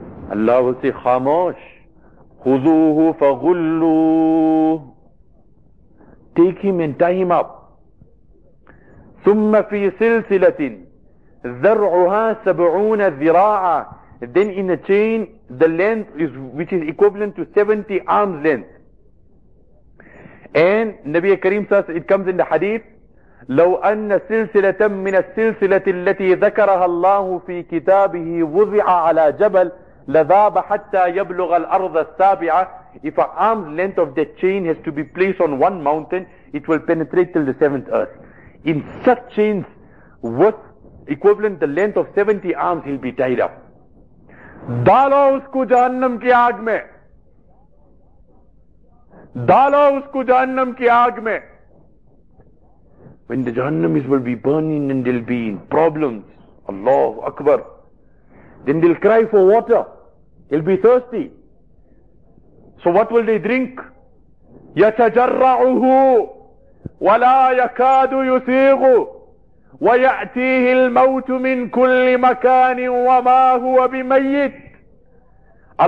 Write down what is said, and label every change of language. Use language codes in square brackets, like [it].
[en] Allah will say, خَامَوش, [ar] خُذُوهُ فَغُلُّوهُ. [en] Take him and tie him up. [ar] ثُمَّ فِي سِلْسِلَةٍ ذَرْعُهَا سَبْعُونَ ذِرَاعًا. [en] Then in a chain, the length is, which is equivalent to 70 arms length. And Nabi Kareem says, it comes in the hadith, [ar] لو أن سلسلة من السلسلة التي ذكرها الله في كتابه وضع على جبل لذاب حتى يبلغ الأرض السابعة. [en] If an arm's length of that chain has to be placed on one mountain, it will penetrate till the seventh earth. In such chains, worth equivalent the length of 70 arms, he'll be tied up. [ur] ڈالو اس کو جہنم کی آگ میں, ڈالو اس کو جہنم کی آگ میں. [en] When the Jahannamis will be burning and they'll be in problems, Allahu Akbar, then they'll cry for water, they'll be thirsty. So what will they drink? [ar] يَتَجَرَّعُهُ وَلَا يَكَادُ يُسِيغُ وَيَأْتِيهِ الْمَوْتُ مِنْ كُلِّ مَكَانٍ وَمَا هُوَ بِمَيِّتٍ.